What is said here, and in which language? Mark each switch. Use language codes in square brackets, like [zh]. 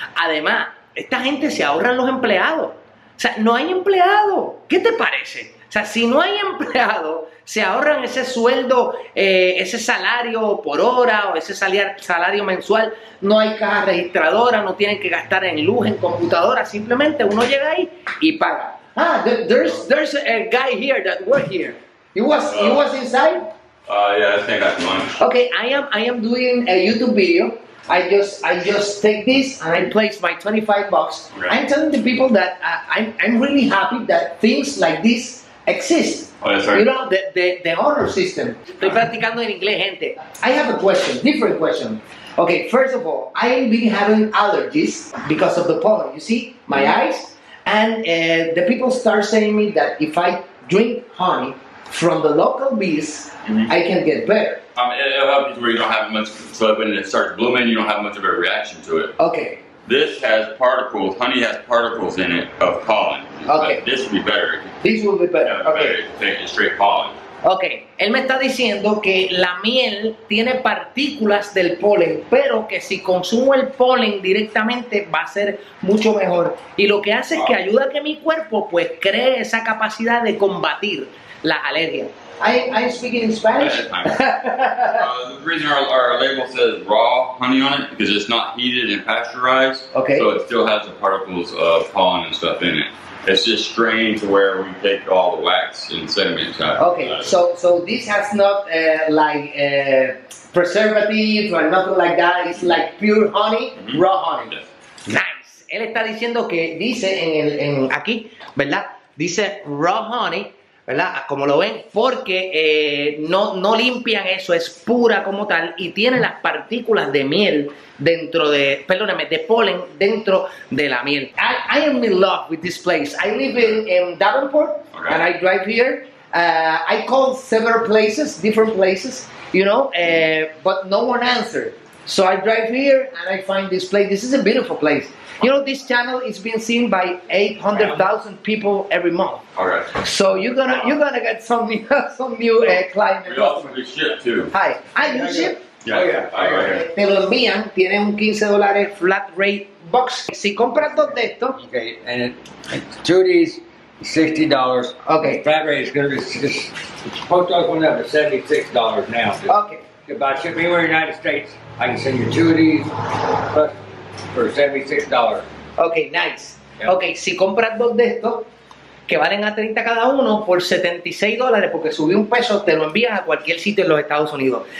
[es] Además, esta gente se ahorra los empleados. O sea, no hay empleado. ¿Qué te parece? O sea, si no hay empleado, se ahorran ese sueldo, ese salario por hora o ese salario mensual. No hay caja registradora, no tienen que gastar en luz, en computadora. Simplemente uno llega ahí y paga. [en] Ah, there's a guy here that worked here. He was inside? Yeah, I think I lunch. Okay, I am doing a YouTube video. I just take this and I place my $25. Okay. I'm telling the people that I'm really happy that things like this exist. Oh, yes, sir. You know, the honor system. [es] Estoy practicando en inglés, gente. [en] I have a question, different question. Okay, first of all, I have been having allergies because of the pollen, you see, my eyes. And the people start saying me that if I drink honey from the local bees, I can get better. It'll help you where you don't have much, so when it starts blooming, you don't have much of a reaction to it. Okay. This has particles, honey has particles in it of pollen. Okay. But this would be better. This would be better. Yeah, okay. Take it straight pollen. Okay. [es] Él me está diciendo que la miel tiene partículas del polen, pero que si consumo el polen directamente va a ser mucho mejor. Y lo que hace es que ayuda a que mi cuerpo pues cree esa capacidad de combatir las alergias. [en] I'm speaking in Spanish. The reason our label says raw honey on it because it's not heated and pasteurized. Okay. So it still has the particles of pollen and stuff in it. It's just strained to where we take all the wax and sediment out. Okay. So this has not like preservative or nothing like that. It's like pure honey, raw honey. Yes. Nice. [es] Él está diciendo que dice en aquí, ¿verdad? Dice raw honey. ¿Verdad? Como lo ven, porque no limpian eso, es pura como tal y tiene las partículas de miel dentro de, perdóname, de polen dentro de la miel. [en] I am in love with this place. I live in Davenport, okay. And I drive here. I call several places, different places, you know, but no one answered. So I drive here and I find this place. This is a beautiful place. You know, this channel is being seen by 800,000 people every month. All right. So you're gonna get some new clients. We also do ship too. Hi. Ah, you ship? Yeah. [es] Te lo envían. Tienen un $15 flat rate box. Si compras dos de estos. [en] Okay. And two of these, $60. Okay. Flat rate is gonna be supposed to open up to $76 now. Just, okay. If I ship anywhere in the United States, I can send you two of these. For $76. Okay, nice. Yep. [es] Okay, si compras dos de estos, que valen a 30 cada uno, por $76, porque subí un peso, te lo envías a cualquier sitio en los Estados Unidos.